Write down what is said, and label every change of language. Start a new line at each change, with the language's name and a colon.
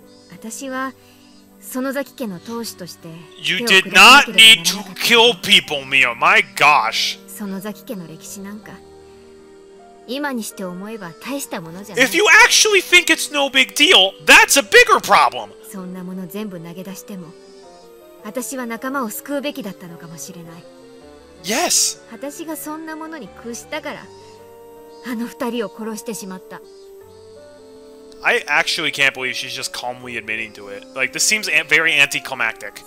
Japanese: 私は、その園崎家の当主として。
English: You did not need to kill people, Mion. My gosh.
Japanese: その園崎家の歴史なんか、今にして思えば大したものじゃない。
English: If you actually think it's no big deal, that's a bigger problem.
Japanese: そんなもの全部投げ出しても、私は仲間を救うべきだったのかもしれない。
English: Yes!
Japanese: 私がそんなものに屈したから、あの二人を殺してしまった。
English: I actually can't believe she's just calmly admitting to it. Like, this seems very anticlimactic.